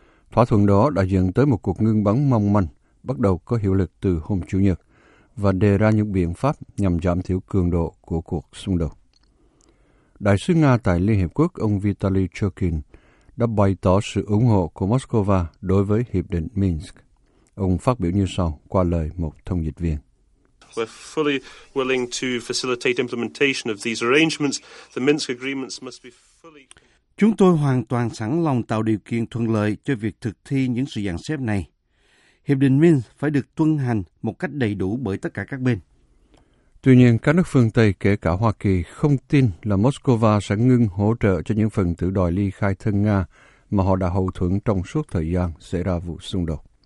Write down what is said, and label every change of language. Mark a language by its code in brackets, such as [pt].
[vi] Thỏa thuận đó đã dẫn tới một cuộc ngưng bắn mong manh bắt đầu có hiệu lực từ hôm Chủ nhật và đề ra những biện pháp nhằm giảm thiểu cường độ của cuộc xung đột. Đại sứ Nga tại Liên Hiệp Quốc ông Vitaly Churkin đã bày tỏ sự ủng hộ của Moscow đối với Hiệp định Minsk. Ông phát biểu như sau qua lời một thông dịch viên. [en] We're fully willing to facilitate implementation of these arrangements. The Minsk agreements must be fully... [vi] Chúng tôi hoàn toàn sẵn lòng tạo điều kiện thuận lợi cho việc thực thi những sự dàn xếp này. Hiệp định Minsk phải được tuân hành một cách đầy đủ bởi tất cả các bên. Tuy nhiên, các nước phương Tây, kể cả Hoa Kỳ, không tin là Moscow sẽ ngưng hỗ trợ cho những phần tử đòi ly khai thân Nga mà họ đã hậu thuẫn trong suốt thời gian xảy ra vụ xung đột.